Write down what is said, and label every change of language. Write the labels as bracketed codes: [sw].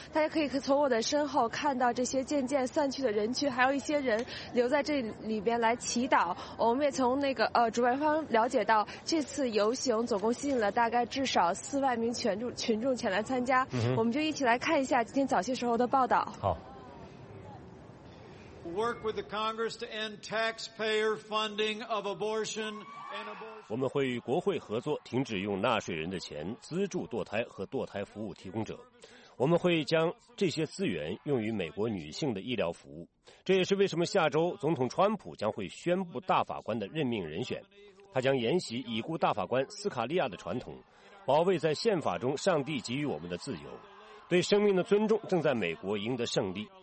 [zh] 大家可以从我的身后看到这些渐渐散去的人群，还有一些人留在这里边来祈祷。我们也从那个主办方了解到，这次游行总共吸引了大概至少40000名群众前来参加。我们就一起来看一下今天早些时候的报道。好。 [en] Work with the Congress to end taxpayer funding of abortion. [zh] 我们会与国会合作，停止用纳税人的钱资助堕胎和堕胎服务提供者。我们会将这些资源用于美国女性的医疗服务。这也是为什么下周总统川普将会宣布大法官的任命人选。他将沿袭已故大法官斯卡利亚的传统，保卫在宪法中上帝给予我们的自由，对生命的尊重正在美国赢得胜利。